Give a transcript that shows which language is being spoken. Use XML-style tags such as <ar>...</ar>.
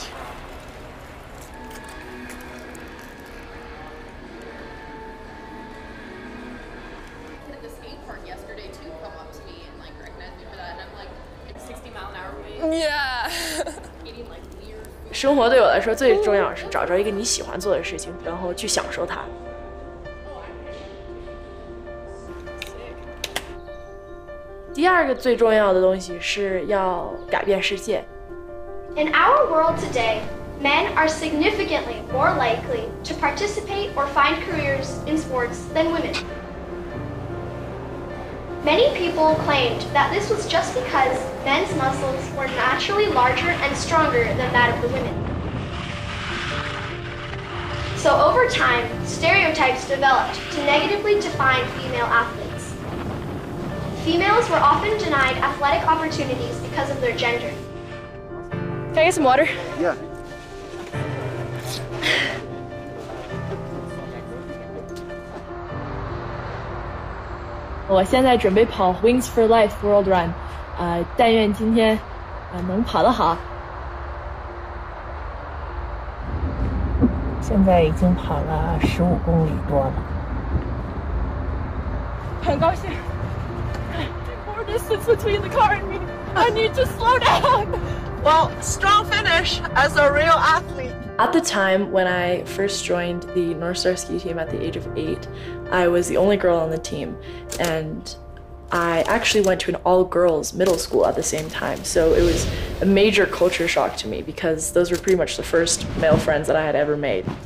<en>The skate park yesterday too come up to me and like recognize me for that, and I'm like 60 mph. Yeah. Getting like weird.</en> <zh>生活对我来说最重要是找着一个你喜欢做的事情，然后去享受它。第二个最重要的东西是要改变世界。</zh> <en>In our world today, men are significantly more likely to participate or find careers in sports than women. Many people claimed that this was just because men's muscles were naturally larger and stronger than that of the women. So over time, stereotypes developed to negatively define female athletes. Females were often denied athletic opportunities because of their gender. Can I get some water? Yeah. I'm now preparing to run Wings for Life World Run. I hope today I can run well.</en> <zh>现在已经跑了15公里多了，很高兴。</zh> <en>Lord, this is between the car and me. I need to slow down. Well, strong finish as a real athlete. At the time when I first joined the North Star Ski Team at the age of 8, I was the only girl on the team, and I actually went to an all-girls middle school at the same time, so it was a major culture shock to me because those were pretty much the first male friends that I had ever made.</en>